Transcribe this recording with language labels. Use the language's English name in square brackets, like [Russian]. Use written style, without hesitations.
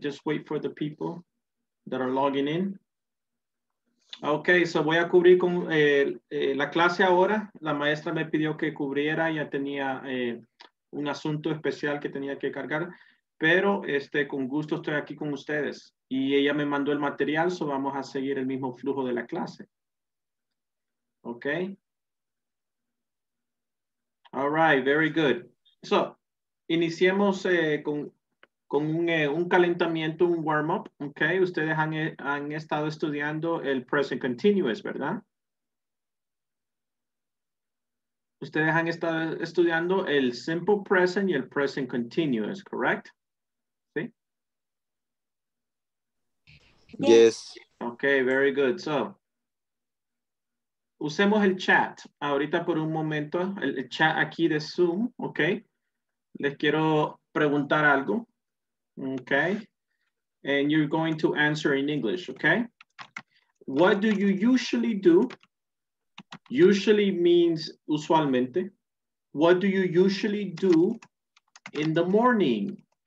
[English] Just wait for the people that are logging in. [Spanish] Ok, so voy a cubrir con la clase ahora. La maestra me pidió que cubriera, ya tenía un asunto especial que tenía que cargar, pero con gusto estoy aquí con ustedes. Y ella me mandó el material, so vamos a seguir el mismo flujo de la clase. Ok. [English] All right, very good. [Spanish] So, iniciemos con un calentamiento, un warm-up, ¿ok? Ustedes han estado estudiando el present continuous, ¿verdad? Ustedes han estado estudiando el simple present y el present continuous, [English] ¿correct? [Spanish] ¿Sí? [English] Yes. Ok, very good. [Spanish] So, usemos el chat ahorita por un momento, el chat aquí de Zoom, ¿ok? Les quiero preguntar algo. [English] Okay, and you're going to answer in English, okay? What do you usually do? Usually means [Spanish] usualmente. [English] What do you usually do in the morning?